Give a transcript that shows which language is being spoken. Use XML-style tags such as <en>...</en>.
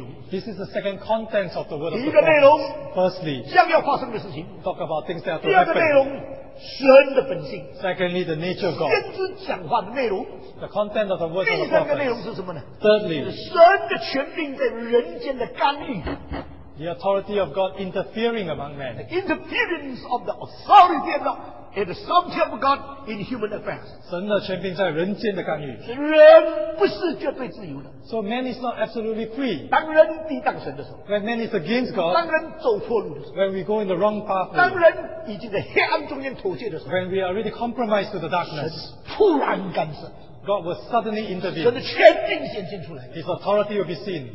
<en>This is the second content of the word of the prophet. Firstly, talk about things that are to happen.</en> <zh>神的本性,</zh> <en>secondly, the nature of God.</en> <zh>先知讲话的内容,</zh> <en>the content of the word of the prophet.</en> <zh>Thirdly, 神的权柄在人间的干预,</zh> <en>the authority of God interfering among men. The interference of the authority of God and the sovereignty of God in human affairs.</en> <zh>神的权柄在人间的干预, 人不是绝对自由的,</zh> <en>so man is not absolutely free.</en> <zh>当人抵挡神的时候,</zh> <en>when man is against God,</en> <zh>当人走错路的时候,</zh> <en>when we go in the wrong path,</en> <zh>当人已经在黑暗中间妥协的时候,</zh> <en>when we already compromised to the darkness,</en> <zh>神突然干涉,</zh> <en>God will suddenly intervene.</en> <zh>神的权柄显现出来,</zh> <en>his authority will be seen.</en>